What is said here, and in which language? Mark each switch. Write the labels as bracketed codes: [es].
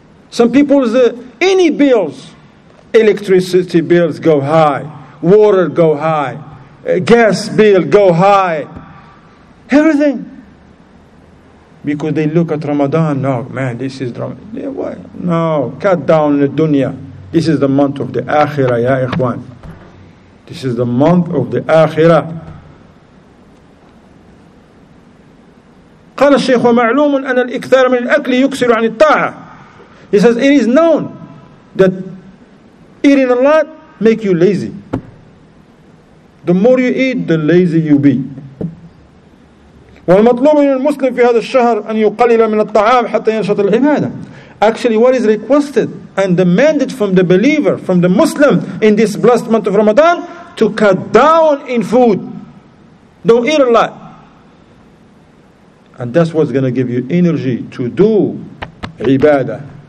[en] Some people, any bills, electricity bills go high, water go high, gas bill go high, everything. Because they look at Ramadan, no, man, this is Ramadan. Why? No, cut down the dunya. This is the month of the Akhirah, [ar] ya ikhwan. [en] This is the month of the Akhirah. [ar] قال الشيخ ومعلوم أن الإكثار من الأكل يكسر عن الطاعة. [en] He says, it is known that eating a lot make you lazy. The more you eat, the lazy you be. [ar] والمطلوب من المسلم في هذا الشهر أن يقلل من الطعام حتى ينشط العبادة. [en] Actually, what is requested and demanded from the believer, from the Muslim in this blessed month of Ramadan, to cut down in food. Don't eat a lot. And that's what's going to give you energy to do ibadah.